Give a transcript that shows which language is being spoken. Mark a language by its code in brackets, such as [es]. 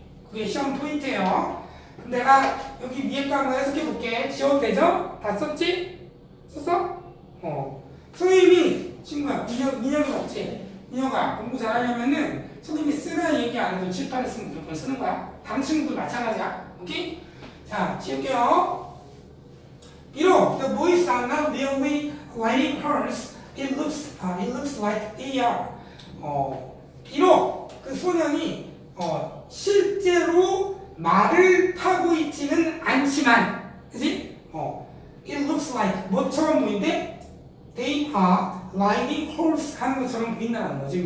[ko] 그게 시험 포인트예요. 내가 여기 위에 거 한번 해석해 볼게. 지워도 되죠? 다 썼지? 썼어? 어. 선생님이 친구야 인형이 없지? 인형아 공부 잘하려면은 선생님이 쓰는 얘기 안 해도 칠판에 쓰면 무조건 쓰는 거야. 다른 친구들 마찬가지야. 오케이? 자 지울게요. [en] 비록 the boys are not really wearing pearls. It looks like they are. [ko] 어, 비록 그 소년이 실제로 말을 타고 있지는 않지만, 그렇지? 어, [en] it looks like [ko] 뭐처럼 보인대? [en] They are riding horse [ko] 하는 것처럼 보인다는 거지.